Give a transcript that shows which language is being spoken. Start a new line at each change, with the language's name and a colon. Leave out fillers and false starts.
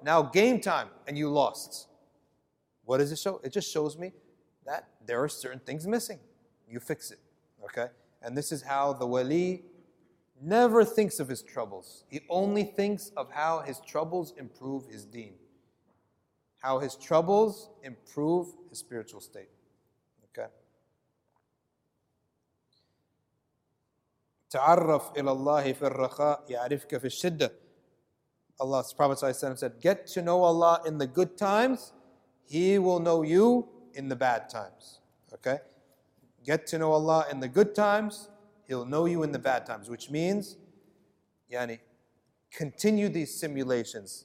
English: Now game time, and you lost. What does it show? It just shows me that there are certain things missing. you fix it. Okay? And this is how the wali never thinks of his troubles. He only thinks of how his troubles improve his deen. How his troubles improve his spiritual state. Okay?
Arabic: تعرف إلى الله في الرخاء يعرفك في الشدة.
English: Allah's Prophet said, get to know Allah in the good times, He will know you in the bad times. Okay? Get to know Allah in the good times, He'll know you in the bad times, which means, yani, continue these simulations.